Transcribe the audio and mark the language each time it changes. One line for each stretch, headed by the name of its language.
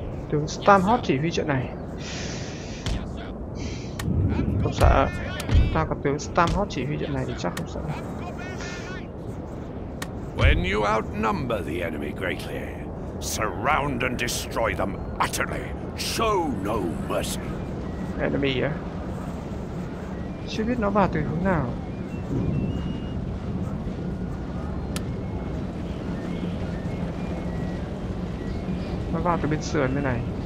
Vietnamese: Tướng Stamhot chỉ huy trận này. Không sợ, ta có tướng Stamhot chỉ huy trận này thì chắc không sợ.
English: When you outnumber the enemy greatly, surround and destroy them utterly. Show no mercy. Enemy, yeah.
Vietnamese: Chưa biết nó vào từ hướng nào. Nó vào từ bên sườn bên này.